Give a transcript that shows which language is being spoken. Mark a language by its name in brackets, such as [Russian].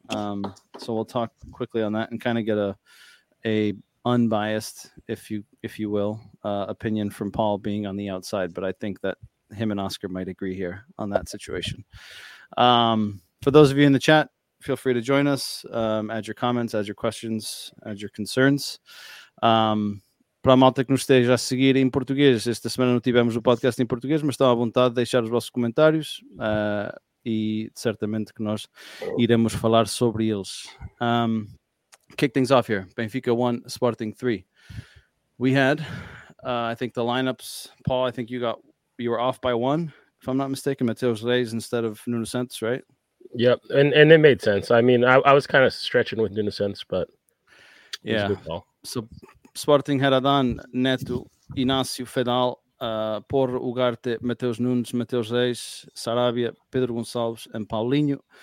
[English] So we'll talk quickly on that and kind of get a unbiased, if you will, opinion from Paul being on the outside. But I think that him and Oscar might agree here on that situation. For those of you in the chat, feel free to join us, add your comments, add your questions, add your concerns. [Portuguese] Para malta que nos esteja a seguir em português, esta semana não tivemos o podcast em português, mas estão à vontade de deixar os vossos comentários e certamente que nós iremos falar sobre eles. [English] Kick things off here. Benfica 1, Sporting 3. We had, I think the lineups, Paul, I think you were off by one, if I'm not mistaken, Mateus Reis instead of Nuno Santos, right? Yep, and it made sense. I mean, I was kind of stretching with Nuno Santos, but yeah. So, Sporting had Adan, Neto, Inácio, Fedal, Porro, Ugarte, Mateus Nunes, Mateus Reis, Sarabia, Pedro Gonçalves, and Paulinho.